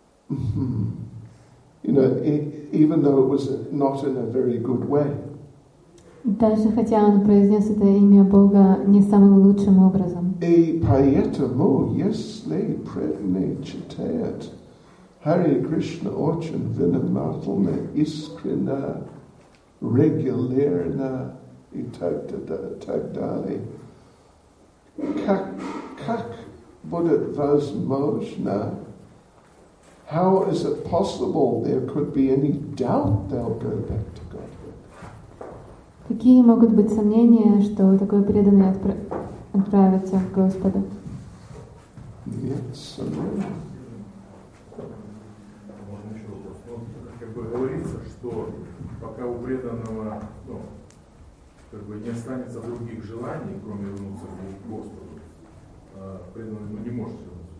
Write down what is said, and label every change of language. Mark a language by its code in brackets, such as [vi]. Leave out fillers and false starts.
[en] You know, even though it was not in a very good way. [ru] Даже хотя он произнес это имя Бога не самым лучшим образом. И поэтому, если преданный читает Харе Кришна очень внимательно, искренне, регулярно и так далее, как будет возможно? [en] How is it possible there could be any doubt they'll go back to God? [ru] Какие могут быть сомнения, что такой преданный отправится к Господу? Нет сомнений. Можно еще вопрос. Ну, как бы говорится, что пока у преданного, ну, как бы не останется других желаний, кроме вернуться к Господу, преданный, ну, не может вернуться.